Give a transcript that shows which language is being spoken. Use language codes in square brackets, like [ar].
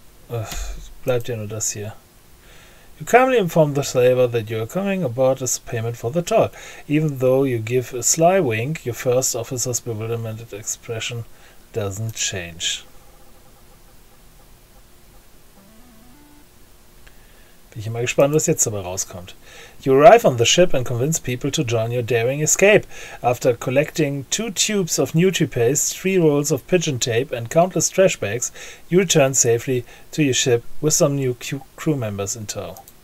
[en] Ugh, [de] bleibt ja nur das hier. [en] You calmly inform the slaver that you are coming aboard as payment for the toll. Even though you give a sly wink, your first officer's bewilderment expression doesn't change. [de] Bin ich mal gespannt, was jetzt dabei rauskommt. [en] You arrive on the ship and convince people to join your daring escape. After collecting two tubes of Nutri-Paste, three rolls of pigeon tape and countless trash bags, you return safely to your ship with some new crew members in tow.